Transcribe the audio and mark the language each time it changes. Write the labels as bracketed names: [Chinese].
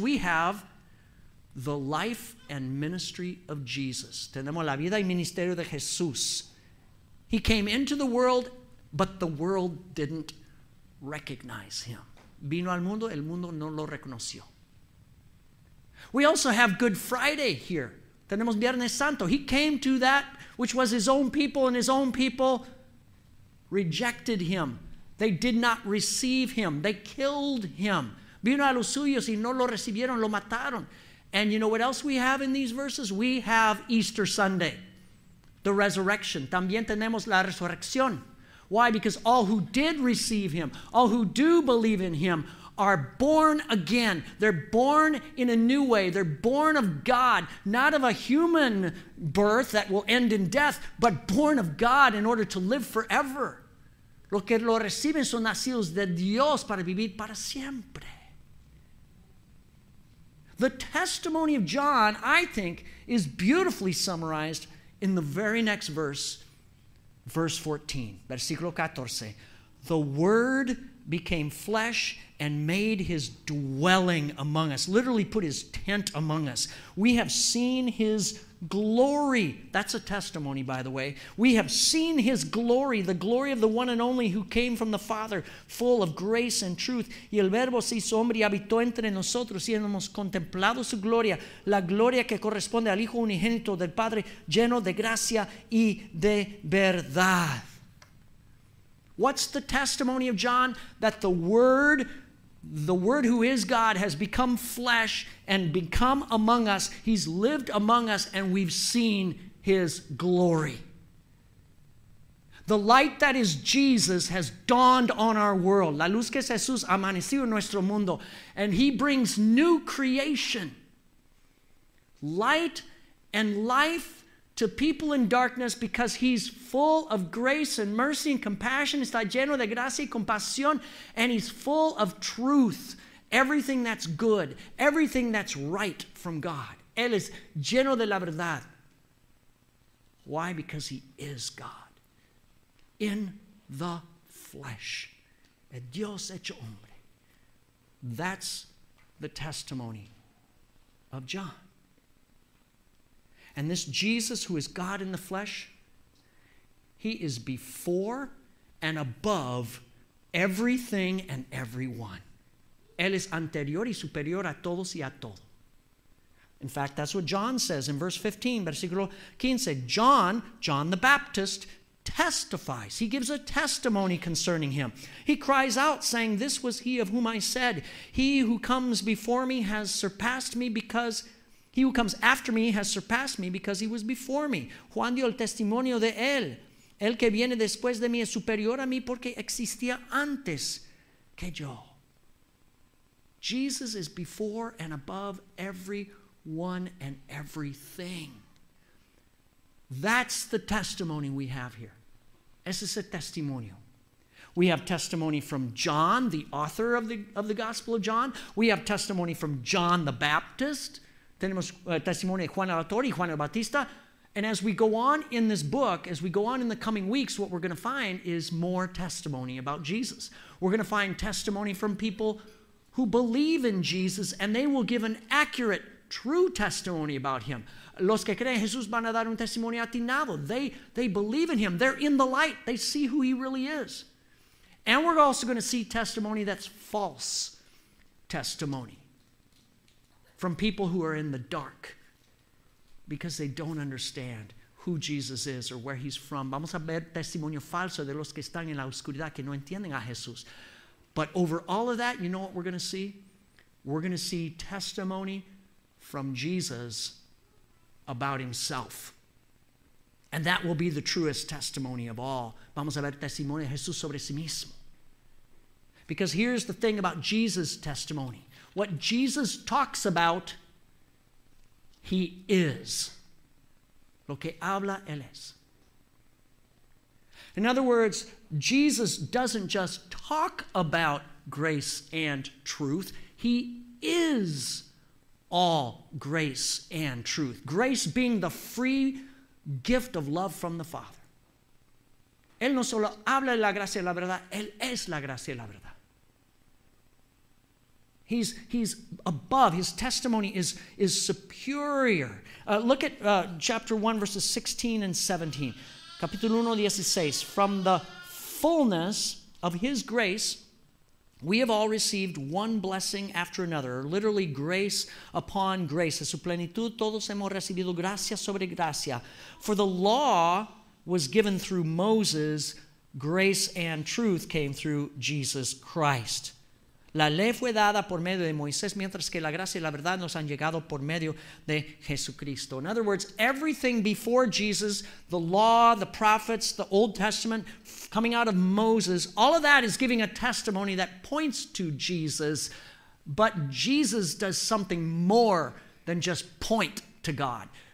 [English] We have the life and ministry of Jesus. [Spanish] Tenemos la vida y ministerio de Jesús. [English] He came into the world, but the world didn't recognize him. [Spanish] Vino al mundo, el mundo no lo reconoció. [English] We also have Good Friday here. [Spanish] Tenemos Viernes Santo. [English] He came to that which was his own people, and his own people rejected him. They did not receive him. They killed him. [Spanish] Vino a los suyos y no lo recibieron, lo mataron. [English] And you know what else we have in these verses? We have Easter Sunday, the resurrection. [Spanish] También tenemos la resurrección. [English] Why? Because all who did receive him, all who do believe in him, are born again. They're born in a new way. They're born of God, not of a human birth that will end in death, but born of God in order to live forever. [Spanish] Lo que lo reciben son nacidos de Dios para vivir para siempre. [English] The testimony of John, I think, is beautifully summarized in the very next verse, verse 14, [Spanish] versículo 14. [English] The word became flesh and made his dwelling among us, literally put his tent among us. We have seen his glory. That's a testimony, by the way. We have seen his glory, the glory of the one and only who came from the Father, full of grace and truth. [Spanish] Y el verbo se hizo hombre y habitó entre nosotros, y hemos contemplado su gloria, la gloria que corresponde al Hijo unigénito del Padre, lleno de gracia y de verdad. [English] What's the testimony of John? That the Word who is God, has become flesh and become among us. He's lived among us and we've seen his glory. The light that is Jesus has dawned on our world. [Spanish] La luz que es Jesús amaneció en nuestro mundo. [English] And he brings new creation, light and life, to people in darkness, because he's full of grace and mercy and compassion. [Spanish] Está lleno de gracia y compasión. [English] And he's full of truth. Everything that's good. Everything that's right from God. [Spanish] Él es lleno de la verdad. [English] Why? Because he is God. In the flesh. [Spanish] El Dios hecho hombre. [English] That's the testimony of John. And this Jesus, who is God in the flesh, he is before and above everything and everyone. [Spanish] Él es anterior y superior a todos y a todo. [English] In fact, that's what John says in verse 15, [Spanish] versículo 15. [English] John the Baptist, testifies. He gives a testimony concerning him. He cries out, saying, "This was he of whom I said, he who comes before me has surpassed me because... He who comes after me has surpassed me because he was before me." [Spanish] Juan dio el testimonio de él. El que viene después de mí es superior a mí porque existía antes que yo. [English] Jesus is before and above everyone and everything. That's the testimony we have here. [Spanish] Ese es el testimonio. [English] We have testimony from John, the author of the Gospel of John. We have testimony from John the Baptist. [Spanish] Tenemos testimonio de Juan el Autor y Juan el Bautista. [English] And as we go on in this book, as we go on in the coming weeks, what we're going to find is more testimony about Jesus. We're going to find testimony from people who believe in Jesus, and they will give an accurate, true testimony about him. [Spanish] Los que creen en Jesús van a dar un testimonio atinado. [English] They believe in him. They're in the light. They see who he really is. And we're also going to see testimony that's false testimony, from people who are in the dark because they don't understand who Jesus is or where he's from. [Spanish] Vamos a ver testimonio falso de los que están en la oscuridad que no entienden a Jesús. [English] But over all of that, you know what we're going to see? We're going to see testimony from Jesus about himself. And that will be the truest testimony of all. [Spanish] Vamos a ver testimonio de Jesús sobre sí mismo. [English] Because here's the thing about Jesus' testimony. What Jesus talks about, he is. [Spanish] Lo que habla, él es. [English] In other words, Jesus doesn't just talk about grace and truth. He is all grace and truth. Grace being the free gift of love from the Father. [Spanish] Él no solo habla de la gracia y la verdad, él es la gracia y la verdad. [English] He's above. His testimony is superior. Look at chapter 1, verses 16 and 17. [Spanish] Capítulo 1, 16. [English] From the fullness of his grace, we have all received one blessing after another. Literally, grace upon grace. [Spanish] A su plenitud, todos hemos recibido gracia sobre gracia. [English] For the law was given through Moses. Grace and truth came through Jesus Christ. [Spanish] La ley fue dada por medio de Moisés, mientras que la gracia y la verdad nos han llegado por medio de Jesucristo. [English] In other words, everything before Jesus, the law, the prophets, the Old Testament, coming out of Moses, all of that is giving a testimony that points to Jesus. But Jesus does something more than just point to God.